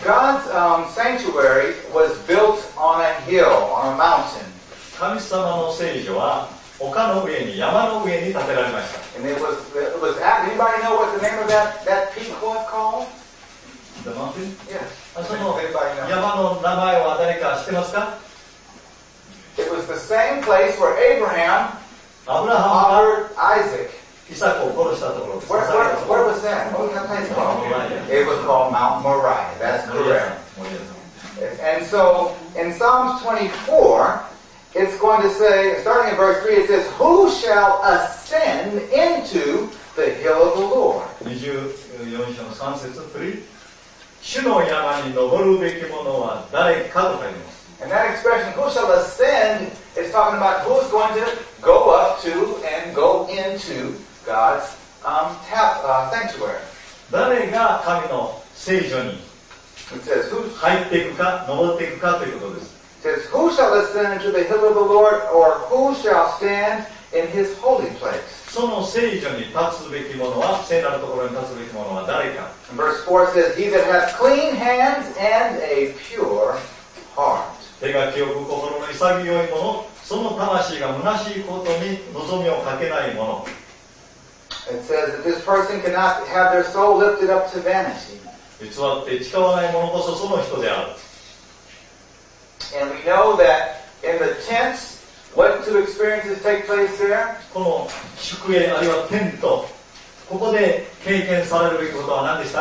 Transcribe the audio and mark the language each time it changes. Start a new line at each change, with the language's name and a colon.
English: God's sanctuary was built on a hill, on a mountain.
Japanese: 神様の聖所は丘の上に、山の上に建てられました。
English: And it was anybody know what the name of that peak was called? The mountain? Yes.
Japanese: その山の名前は誰か知ってますか?
English: It was the same place where Abraham offered Isaac.
Japanese: イサクを殺したところです。
English: Where was that? What was that place called? It was called Mount Moriah. That's correct. And so, in Psalms 24,It's going to say, starting in verse 3, it says, Who shall ascend into the hill of the Lord?
Japanese: 24章の3節、3. 主の山に登るべき者は誰かと書いてます。
English: And that expression, who shall ascend, is talking about who's going to go up to and go into God's sanctuary.
Japanese: 誰が神の聖所に入っていくか、登っていくかということです。
English: It says, who shall ascend into the hill of the Lord, or who shall stand in his holy place?
Japanese: その聖所に立つべき者は、聖なるところに立つべき者は誰か。
English: And verse 4 says, he that hath clean hands and a pure heart.
Japanese: 手が清く心の潔い者、その魂が虚しいことに望みをかけない者。
English: It says that this person cannot have their soul lifted up to vanity.
Japanese: 偽って誓わない者こそその人である。
English: And we know that in the tents, what two experiences take place there?
Japanese: この宿営あるいはテント、ここで経験されるべきことは何でした？